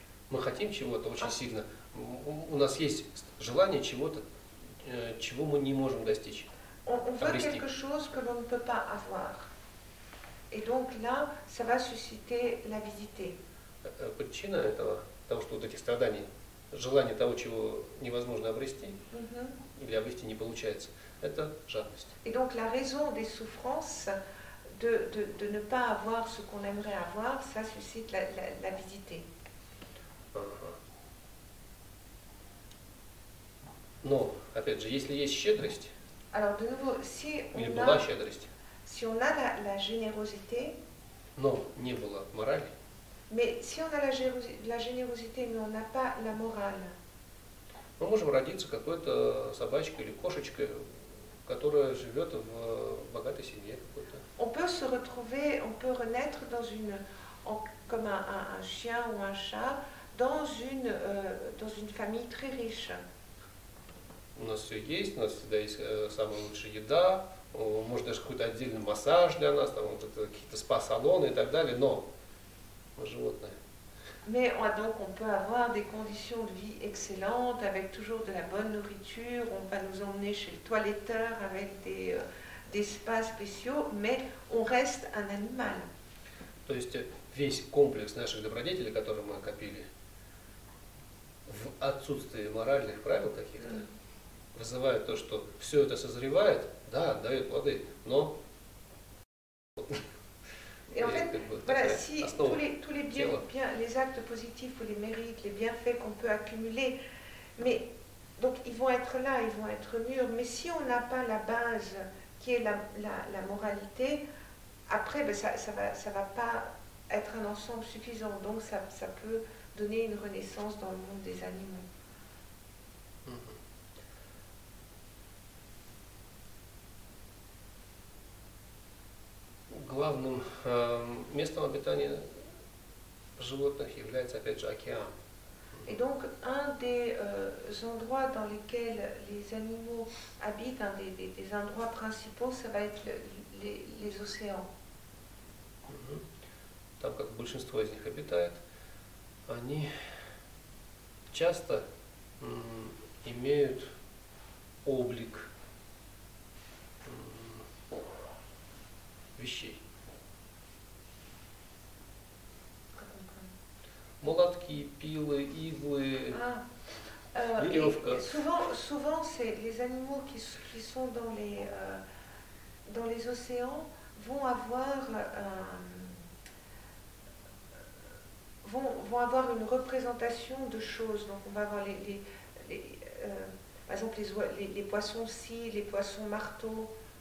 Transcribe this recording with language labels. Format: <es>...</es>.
<ru>мы хотим чего-то очень сильно, у нас есть желание чего-то. Чего мы не можем достичь?</ru> <fr>On veut quelque chose que l'on ne peut pas avoir. Et donc là, ça va susciter l'avidité.</fr> <ru>Причина этого, того, что вот этих страданий, желание того, чего невозможно обрести, или обрести не получается, это жадность.</ru> <fr>Et donc la raison des souffrances de ne pas avoir ce qu'on aimerait avoir, ça suscite l'avidité.</fr> <ru>Но, опять же, если есть щедрость,</ru> <fr>Alors, de nouveau, si</fr> <ru>или</ru> <fr>on</fr> <ru>была</ru> <fr>a,</fr> <ru>щедрость,</ru> <fr>si on a la générosité,</fr> <ru>но не было морали,</ru> <fr>Mais si on a la générosité, mais on n'a pas la morale.</fr> <ru>Мы можем родиться какой-то собачкой или кошечкой, которая живет в богатой семье какой-то.</ru> <fr>On peut se retrouver, on peut renaître dans une, en, comme un chien ou un chat, dans une famille très riche.</fr> <ru>У нас все есть, у нас всегда есть самая лучшая еда, может даже какой-то отдельный массаж для нас, там вот, какие-то спа-салоны и так далее, но животное.</ru> <fr>Mais donc on peut avoir des conditions de vie excellentes avec toujours de la bonne nourriture, on va nous emmener chez le toiletteur avec des spas spéciaux, mais on reste un animal.</fr> <ru>То есть весь комплекс наших добродетелей, которые мы копили, в отсутствии моральных правил каких-то, вызывает то, что все это созревает, да, дает плоды, но...</ru> <fr>Et en fait, voilà, si tous les bien, les actes positifs ou les mérites, les bienfaits qu'on peut accumuler, mais donc ils vont être là, ils vont être mûrs, mais si on n'a pas la base qui est la moralité, après ben, ça va pas être un ensemble suffisant, donc ça peut donner une renaissance dans le monde des animaux.</fr> <ru>Главным местом обитания животных является, опять же, океан.</ru> <fr>Et donc, un des endroits dans lesquels les animaux habitent, un des endroits principaux, ça va être les océans.</fr> <ru>Там, как большинство из них обитает, они часто имеют облик вещей. Молотки, пилы, иглы, веревка.</ru> <fr>Souvent c'est les animaux qui sont dans les océans vont avoir une représentation de choses. Donc on va avoir par exemple les poissons scie, les poissons marteaux.</fr>